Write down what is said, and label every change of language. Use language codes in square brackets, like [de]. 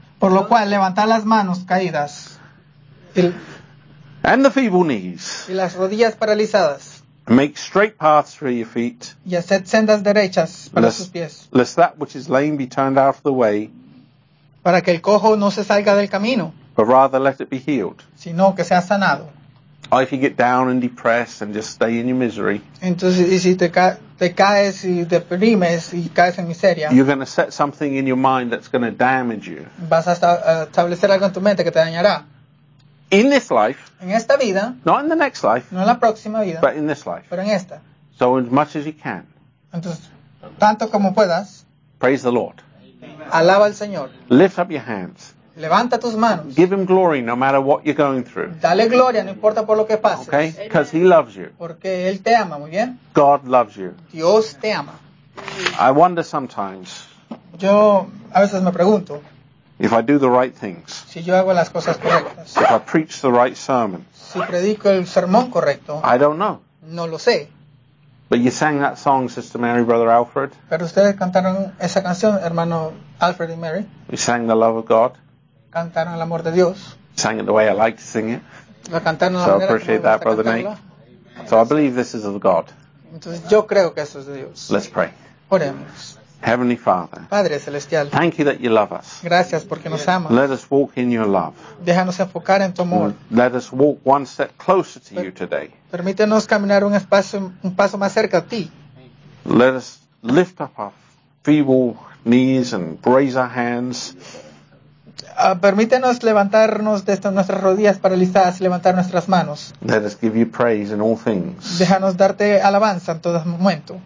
[es] Por lo cual levantad las manos caídas. [en] And the feeble knees. [es] Y las rodillas paralizadas. [en] Make straight paths for your feet. [es] Y haced sendas derechas para sus pies. [en] Lest that which is lame be turned out of the way. [es] Para que el cojo no se salga del camino. [en] But rather let it be healed. [es] Sino que sea sanado. [en] Or if you get down and depressed and just stay in your misery. [es] Entonces, y si te caes y deprimes y caes en miseria. [en] You're going to set something in your mind that's going to damage you. [es] Vas a establecer algo en tu mente que te dañará. [en] In this life. [es] En esta vida. [en] Not in the next life. [es] No en la próxima vida. [en] But in this life. [es] Pero en esta. [en] So as much as you can. [es] Entonces, tanto como puedas. [en] Praise the Lord. [es] Alaba al Señor. [en] Lift up your hands. [es] Levanta tus manos. [en] Give him glory no matter what you're going through. [es] Dale gloria, no importa por lo que pases. [en] Okay? Because he loves you. [es] Porque él te ama, muy bien. [en] God loves you. [es] Dios te ama. [en] I wonder sometimes. [es] Yo a veces me pregunto. [en] If I do the right things. [es] Si yo hago las cosas correctas. [en] If I preach the right sermon. [es] Si predico el sermón correcto. [en] I don't know. [es] No lo sé. [en] But you sang that song, Sister Mary, Brother Alfred. [es] Pero ustedes cantaron esa canción, hermano Alfred y Mary. [en] We sang the love of God. [es] Cantaron el amor de Dios. [en] Sang it the way I like to sing it. [es] La cantaron [en] so I appreciate that, Brother Nate. So I believe this is of God. [es] Entonces, yo creo que esto es de Dios. [en] Let's pray. [es] Oremos. [en] Heavenly Father. [es] Padre Celestial. [en] Thank you that you love us. [es] Gracias porque nos amas. [en] Let us walk in your love. [es] Déjanos enfocar en tu amor. [en] Let us walk one step closer to you today. [es] Permítenos caminar un paso más cerca a ti. [en] Let us lift up our feeble knees and raise our hands. [es] Permítenos levantarnos de nuestras rodillas paralizadas y levantar nuestras manos. [en] Let us give you praise in all things. [es] Déjanos darte alabanza en todo momento.